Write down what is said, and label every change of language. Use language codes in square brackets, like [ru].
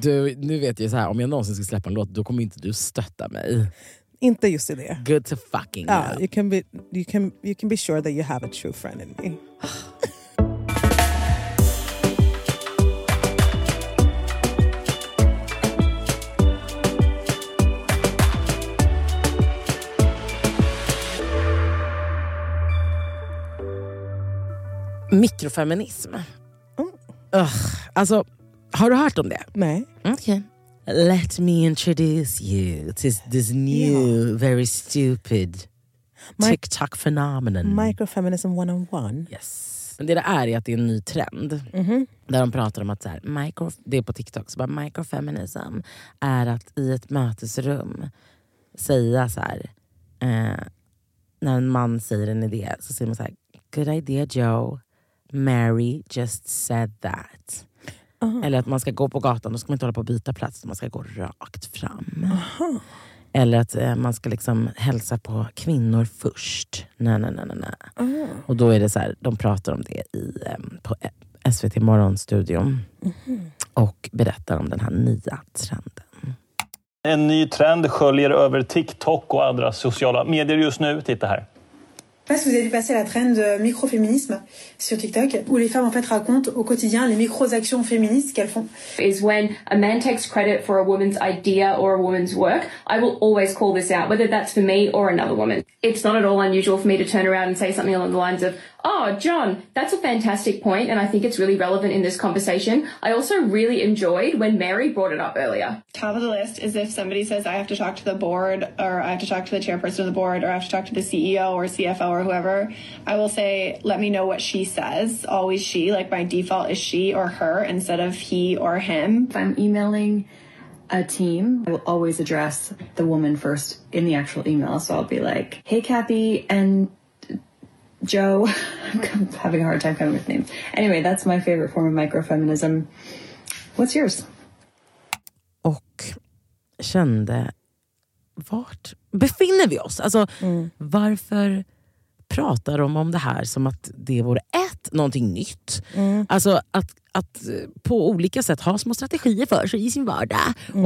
[sv] Du, nu vet jag så här, om jag någonsin ska släppa en låt, då kommer inte du stötta mig. Inte just i det. [en] Good to fucking know. You can be sure that you have a true friend in me. [sv] Mikrofeminism. Alltså, har du hört om det? Nej. Okej. [en] Let me introduce you to this new, very stupid TikTok phenomenon. Microfeminism 101. Yes. [sv] Men det är att det är en ny trend. Mm-hmm. Där de pratar om att så här, det är på TikTok. Så bara, microfeminism är att i ett mötesrum säga så här. När en man säger en idé så säger man så här. [en] Good idea, Joe. Mary just said that. Uh-huh. [sv] Eller att man ska gå på gatan, då ska man inte hålla på att byta plats, man ska gå rakt fram. Uh-huh. Eller att man ska liksom hälsa på kvinnor först. Nej, nej, nej, nej. Uh-huh. Och då är det så här, de pratar om det i, på SVT Morgonstudion. Uh-huh. Och berättar om den här nya trenden. En ny trend sköljer över TikTok och andra sociala medier just nu. Titta här. [fr] Je sais pas si vous avez vu passer la trend microféminisme sur TikTok, où les femmes en fait racontent au quotidien les micro-actions féministes qu'elles font. [en] Is when a man takes credit for a woman's idea or a woman's work, I will always call this out, whether that's for me or another woman. It's not at all unusual for me to turn around and say something along the lines of, oh, John, that's a fantastic point, and I think it's really relevant in this conversation. I also really enjoyed when Mary brought it up earlier. Top of the list is if somebody says, I have to talk to the board, or I have to talk to the chairperson of the board, or I have to talk to the CEO or CFO or whoever, I will say, let me know what she says. Always she, like my default is she or her instead of he or him. If I'm emailing a team, I will always address the woman first in the actual email. So I'll be like, hey, Kathy and Joe, I'm having a hard time coming with names. Anyway, that's my favorite form of microfeminism. What's yours? [sv] Och kände, vart befinner vi oss? Alltså, varför pratar de om det här som att det vore ett, någonting nytt. Mm. Alltså att på olika sätt ha små strategier för sig i sin vardag. Mm.